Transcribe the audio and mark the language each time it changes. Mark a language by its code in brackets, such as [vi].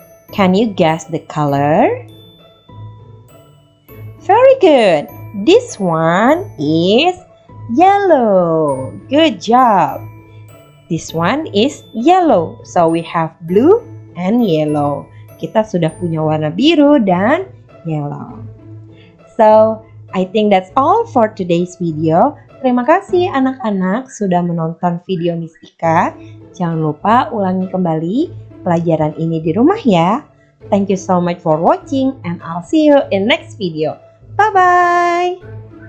[en] Can you guess the color? Very good. This one is yellow. Good job. This one is yellow. So we have blue and yellow. [id] Kita sudah punya warna biru dan yellow. [en] So, I think that's all for today's video. [id] Terima kasih anak-anak sudah menonton video Miss Ika. Jangan lupa ulangi kembali pelajaran ini di rumah ya. [en] Thank you so much for watching and I'll see you in next video. Bye-bye!